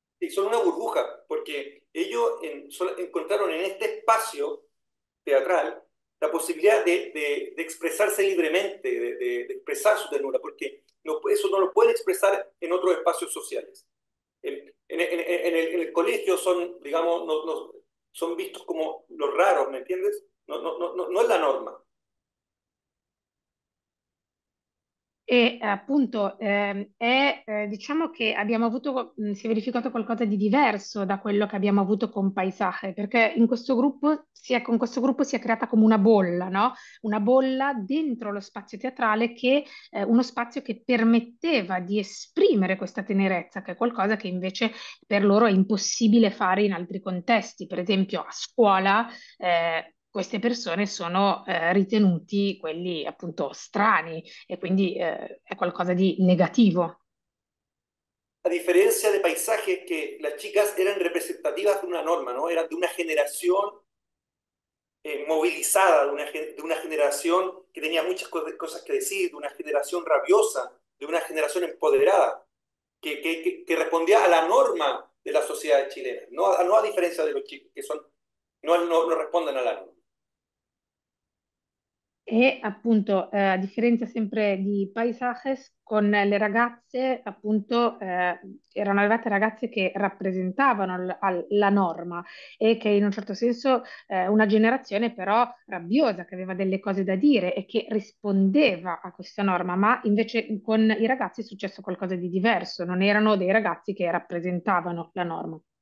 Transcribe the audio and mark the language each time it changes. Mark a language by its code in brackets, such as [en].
[es] son una burbuja, porque ellos encontraron en este espacio teatral la posibilidad de expresarse libremente, de expresar su ternura, porque eso no lo puede expresar en otros espacios sociales. En el colegio son, digamos, no, no, son vistos como los raros, ¿me entiendes? No, no, no, no, no es la norma. [it] E appunto, diciamo che si è verificato qualcosa di diverso da quello che abbiamo avuto con Paisaje, perché con questo gruppo si è creata come una bolla, no? Una bolla dentro lo spazio teatrale uno spazio che permetteva di esprimere questa tenerezza, che è qualcosa che invece per loro è impossibile fare in altri contesti, per esempio a scuola. Queste persone sono ritenuti quelli appunto strani e quindi è qualcosa di negativo. [es] A diferencia de paisajes que las chicas eran representativas de una norma, ¿no? Eran de una generación movilizada, de una generación que tenía muchas cosas que decir, de una generación rabiosa, de una generación empoderada, que respondía a la norma de la sociedad chilena, no a diferencia de los chicos, que son, no responden a la norma. [it] E appunto, a differenza sempre di Paisajes, con le ragazze, appunto, erano arrivate ragazze che rappresentavano la norma e che in un certo senso una generazione però rabbiosa, che aveva delle cose da dire e che rispondeva a questa norma, ma invece con i ragazzi è successo qualcosa di diverso, non erano dei ragazzi che rappresentavano la norma.